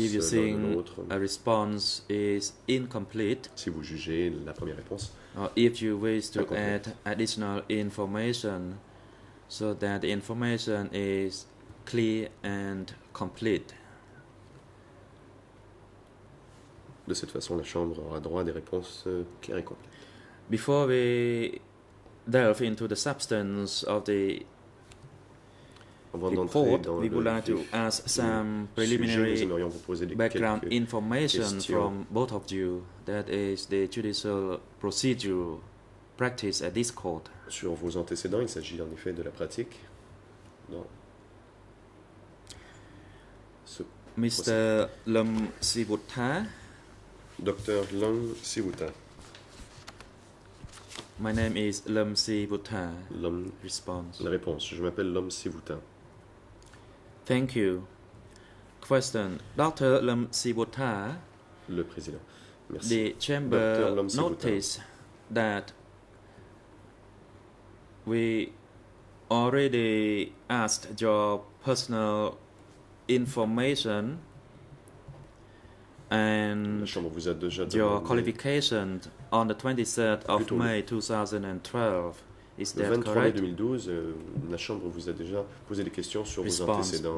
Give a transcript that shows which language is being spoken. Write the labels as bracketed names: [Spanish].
[English] If you think a response is incomplete, [French] si vous jugez la première réponse, [English] or if you wish to add additional information so that the information is clear and complete. [French] De cette façon, la Chambre aura droit à des réponses claires et complètes. [English] Before we delve into the substance of the report, we would like to ask some preliminary background information from both of you, that is the judicial procedure practice at this court. [French] Sur vos antécédents, il s'agit en effet de la pratique. [English] Mr. Lum Sibutha. Dr. Lum Sibutha. My name is Lum Sibutha. Lum response. [French] La réponse. Je m'appelle Lum Sibutha. [English] Thank you. Question. Dr. Lum Sibutha. [French] Le président. Merci. [English] The chamber noticed that we already asked your personal information and your qualification on the 23rd of May 2012. Is that correct? [French] 2012, la Chambre vous a déjà posé des questions sur vos antécédents.